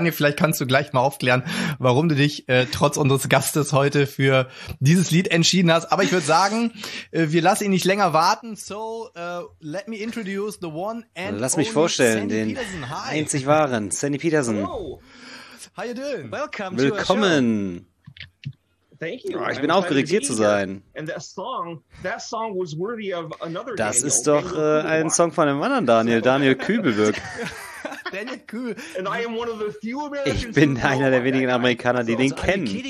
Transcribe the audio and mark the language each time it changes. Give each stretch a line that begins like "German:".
German: Daniel, vielleicht kannst du gleich mal aufklären, warum du dich trotz unseres Gastes heute für dieses Lied entschieden hast. Aber ich würde sagen, wir lassen ihn nicht länger warten.
English: So, let me introduce the one and only.
German: Lass mich vorstellen, den einzig wahren Sandy Peterson.
English: Hello. How you doing? Welcome.
German: Willkommen.
English: Thank you.
German: Oh, ich bin aufgeregt, hier zu sein.
English: That song was worthy of another
German: das Daniel, ist doch Daniel ein Song von einem anderen Daniel, Daniel Kübelberg. Daniel Kübelberg. Ich bin einer der wenigen Amerikaner, die den kennen.